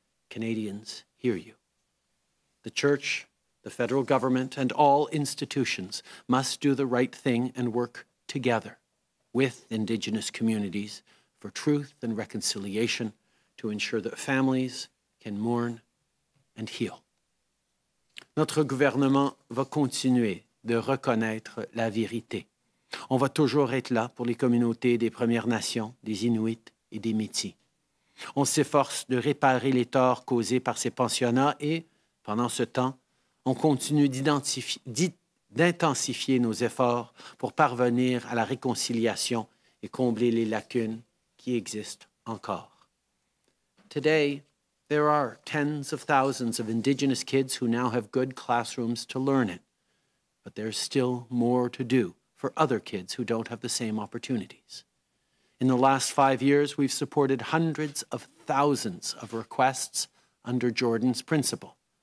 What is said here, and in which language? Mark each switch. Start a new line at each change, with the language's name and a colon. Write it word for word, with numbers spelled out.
English: Canadians, hear you. The Church, the federal government, and all institutions must do the right thing and work together with Indigenous communities for truth and reconciliation to ensure that families can mourn and heal.
French: Notre gouvernement va continuer de reconnaître la vérité. On va toujours être là pour les communautés des Premières Nations, des Inuits et des Métis. On s'efforce de réparer les torts causés par ces pensionnats et, pendant ce temps, on continue d'identifier, d'intensifier nos efforts pour parvenir à la réconciliation et combler les lacunes qui existent encore.
English: Today, there are tens of thousands of Indigenous kids who now have good classrooms to learn in, but there's still more to do for other kids who don't have the same opportunities. In the last five years, we've supported hundreds of thousands of requests under Jordan's principle.